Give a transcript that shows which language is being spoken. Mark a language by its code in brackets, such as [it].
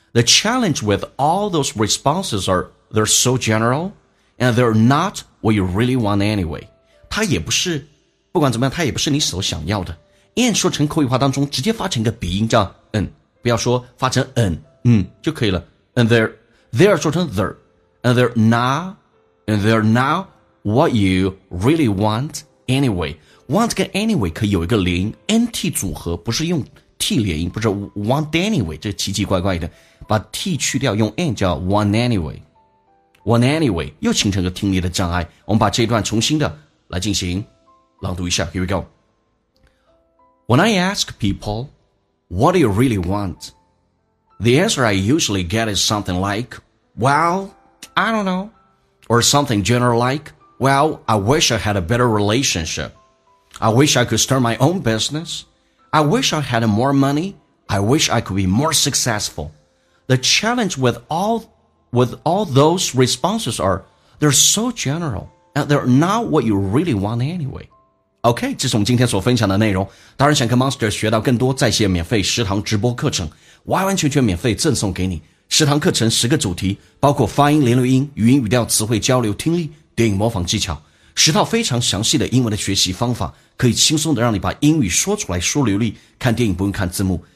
[en] The challenge with all those responses are they're so generalAnd they're not what you really want anyway. [zh] 它也不是，不管怎么样，它也不是你所想要的。And 说成口语化当中，直接发成一个鼻音叫嗯，不要说发成嗯嗯就可以了。 [en] And they're [zh] 说成 [en] they're. And they're not what you really want anyway. [zh] Want 跟 anyway 可以有一个连音 NT 组合，不是用 T 连音，不是 [en] want anyway， [zh] 这奇奇怪怪的。把 T 去掉用 N 叫 [en] want anyway。 One anyway, [zh] 又形成个听力的障碍。我们把这一段重新的来进行朗读一下。 [en] Here we go. When I ask people, what do you really want? The answer I usually get is something like, well, I don't know. Or something general like, well, I wish I had a better relationship. I wish I could start my own business. I wish I had more money. I wish I could be more successful. The challenge with all those responses are, they're so general, and they're not what you really want anyway. [zh] OK, 这是我们今天所分享的内容。当然想跟 Monster 学到更多在线免费食堂直播课程，完完全全免费赠送给你。食堂课程十个主题，包括发音、连读音、语音语调、词汇交流、听力、电影模仿技巧，十套非常详细的英文的学习方法，可以轻松的让你把英语说出来，说流利，看电影不用看字幕。